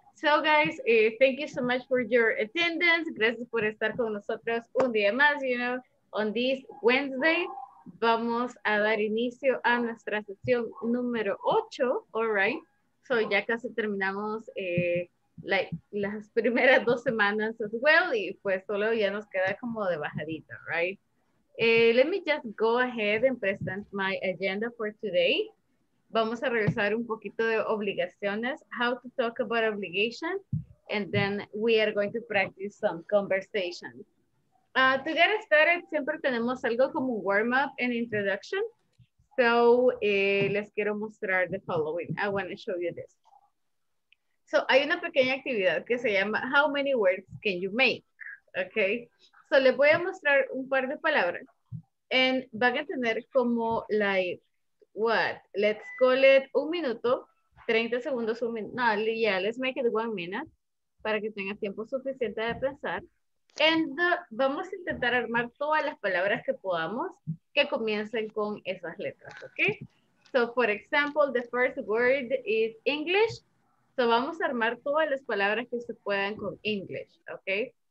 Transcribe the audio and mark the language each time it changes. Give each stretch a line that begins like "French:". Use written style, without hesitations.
English: So, guys, thank you so much for your attendance.
Spanish: Gracias por estar con nosotros un día más,
English: you know, on this Wednesday.
Spanish: Vamos a dar inicio a nuestra sesión número 8,
English: all right?
Spanish: So ya casi terminamos las primeras dos semanas
English: as well,
Spanish: y pues solo ya nos queda como de bajadita, right?
English: Let me just go ahead and present my agenda for today.
Spanish: Vamos a revisar un poquito de obligaciones,
English: how to talk about obligation, and then we are going to practice some conversations. To get started,
Spanish: siempre tenemos algo como
English: warm-up and introduction. So,
Spanish: les quiero mostrar
English: the following. I want to show you this.
Spanish: So, hay una pequeña actividad que se llama
English: How many words can you make?
Spanish: Okay. So, les voy a mostrar un par de palabras. And van a tener como
English: like, what? Let's call it
Spanish: un minuto, 30 segundos, un minuto. No,
English: yeah, let's make it 1 minute
Spanish: para que tengan tiempo suficiente de pensar. And vamos a intentar armar todas las palabras que podamos que comiencen con esas letras, okay?
English: So, for example, the first word is English.
Spanish: So, vamos a armar todas las palabras que se puedan con English, okay?